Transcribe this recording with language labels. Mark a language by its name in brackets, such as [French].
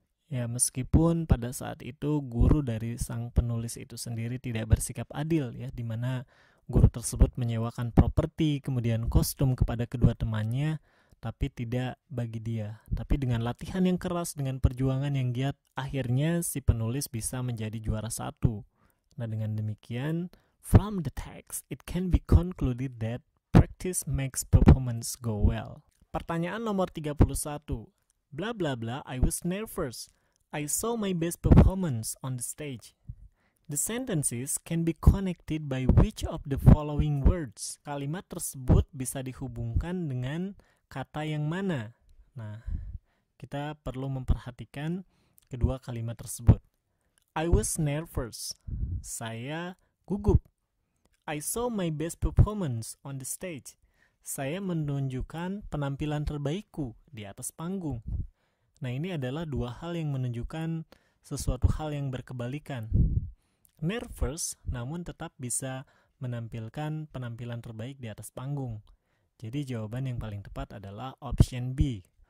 [Indonesian] Ya, meskipun pada saat itu guru dari sang penulis itu sendiri tidak bersikap adil, ya, di mana guru tersebut menyewakan properti kemudian kostum kepada kedua temannya, tapi tidak bagi dia. Tapi dengan latihan yang keras, dengan perjuangan yang giat, akhirnya si penulis bisa menjadi juara satu. Nah, dengan demikian, [English] from the text, it can be concluded that practice makes performance go well. [Indonesian] Pertanyaan nomor 31. [English] Blah blah blah, I was nervous. I saw my best performance on the stage. The sentences can be connected by which of the following words? [Indonesian] Kalimat tersebut bisa dihubungkan dengan kata yang mana? Nah, kita perlu memperhatikan kedua kalimat tersebut. [English] I was nervous. [Indonesian] Saya gugup. [English] I saw my best performance on the stage. [Indonesian] Saya menunjukkan penampilan terbaikku di atas panggung. Nah, ini adalah dua hal yang menunjukkan sesuatu hal yang berkebalikan. Nervous, namun tetap bisa menampilkan penampilan terbaik di atas panggung. Jadi, jawaban yang paling tepat adalah option B.